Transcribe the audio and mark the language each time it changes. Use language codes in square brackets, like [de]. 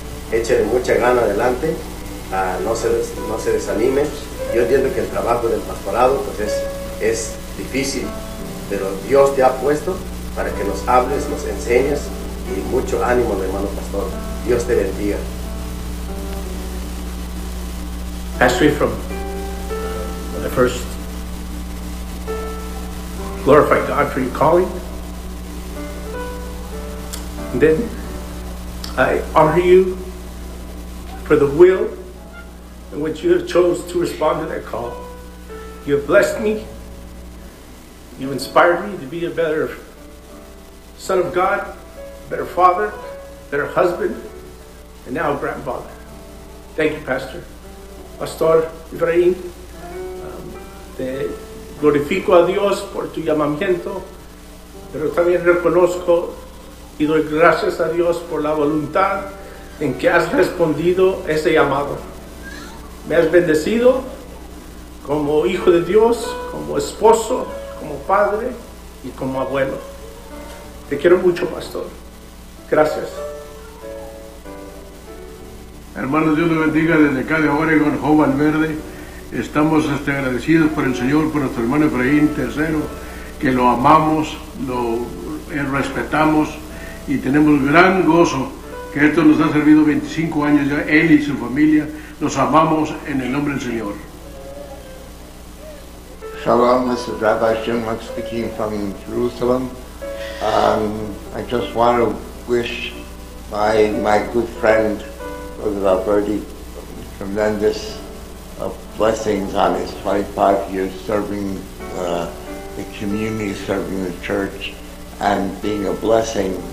[es] Échale mucha gana adelante, no se desanime. Yo entiendo que el trabajo del pastorado pues es difícil, pero Dios te ha puesto para que nos hables, nos enseñes, y mucho ánimo, hermano pastor. Dios te bendiga. [en] Pastor, from the first glorify God for your calling. And then I honor you for the will in which you have chose to respond to that call. You have blessed me. You have inspired me to be a better son of God, better father, better husband, and now a grandfather. Thank you, Pastor. [es] Pastor Efraín, te glorifico a Dios por tu llamamiento, pero también reconozco y doy gracias a Dios por la voluntad en que has respondido ese llamado. Me has bendecido como hijo de Dios, como esposo, como padre y como abuelo. Te quiero mucho, pastor. Gracias. Hermano, Dios le bendiga desde acá de Oregon, Joven Verde. Estamos agradecidos por el Señor, por nuestro hermano Efraín III, que lo amamos, lo respetamos y tenemos gran gozo que esto nos ha servido 25 años ya, él y su familia. Los amamos en el nombre del Señor. [en] Shalom, this is Rabbi Shimon speaking from Jerusalem. I just want to wish my good friend, Roosevelt Verdi, tremendous blessings on his 25 years serving the community, serving the church, and being a blessing